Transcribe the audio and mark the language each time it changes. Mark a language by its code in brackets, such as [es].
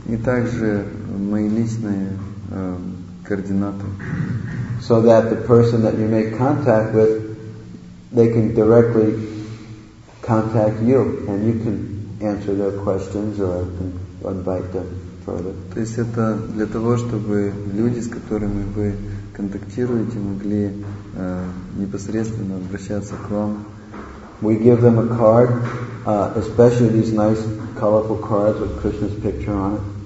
[ru] И также мои личные координаты. [en] So that the person that you make contact with, they can directly contact you, and you can answer their questions or invite them further. [ru] То есть это для того, чтобы люди, с которыми вы контактируете, могли непосредственно обращаться к вам. [en] We give them a card, especially these nice colorful cards with Krishna's picture on it.